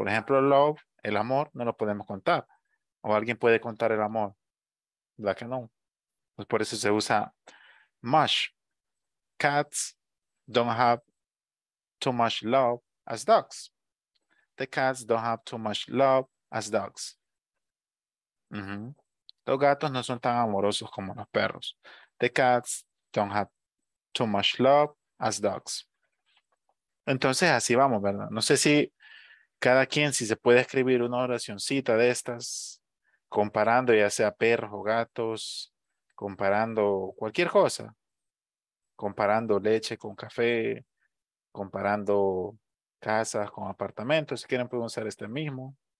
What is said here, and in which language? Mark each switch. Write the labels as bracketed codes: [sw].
[es] Por ejemplo, love, el amor, no lo podemos contar. O alguien puede contar el amor, ¿verdad que no? Pues por eso se usa much. [en] Cats don't have too much love as dogs. The cats don't have too much love as dogs. Mm-hmm. [es] Los gatos no son tan amorosos como los perros. [en] The cats don't have too much love as dogs. [es] Entonces así vamos, ¿verdad? No sé si cada quien, si se puede escribir una oracioncita de estas, comparando ya sea perros o gatos, comparando cualquier cosa, comparando leche con café, comparando casas con apartamentos, si quieren pueden usar este mismo.